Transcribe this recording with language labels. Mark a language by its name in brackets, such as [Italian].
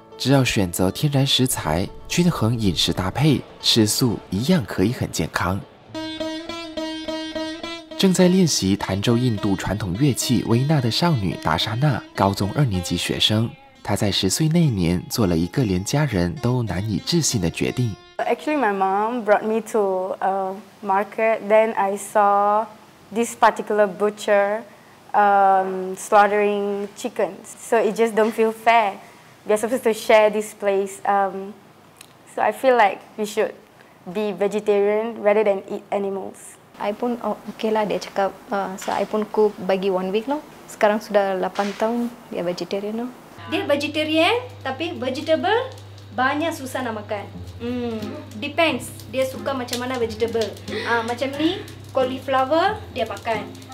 [Chinese] 只要选择天然食材，均衡饮食搭配，吃素一样可以很健康。正在练习弹奏印度传统乐器威纳的少女达莎娜，高中2年级学生，她在10岁那年做了一个连家人都难以置信的决定。 [English] Actually, my mom brought me to a market. Then I saw this particular butcher slaughtering chickens. So it just don't feel fair. We are supposed to share this place. So I feel like we should be vegetarian rather than eat animals. [Malay] I pun okay lah, dia cakap. So I pun cook bagi 1 week lah. Sekarang sudah 8 tahun dia vegetarian lah. Dia vegetarian, tapi vegetable. Banyak susah nak makan. [English] Depends. [Malay] Dia suka macam mana vegetable. Macam ni, cauliflower, dia makan.